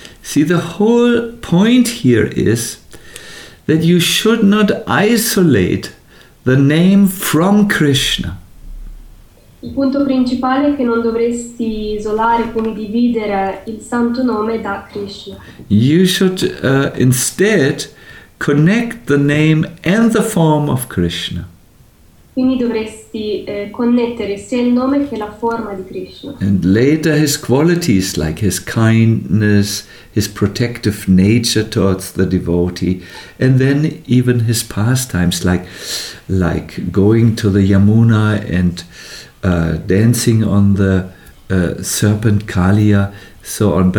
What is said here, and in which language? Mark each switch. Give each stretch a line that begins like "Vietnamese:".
English: See, the whole point here is that you should not isolate the name from Krishna.
Italian: Il punto principale è che non dovresti isolare, quindi dividere il santo nome da Krishna.
English: You should instead connect the name and the form of Krishna.
Italian: Quindi dovresti connettere sia il nome che la forma di Krishna.
English: And later his qualities like his kindness, his protective nature towards the devotee, and then even his pastimes like going to the Yamuna and dancing on the serpent Kaliya, so on.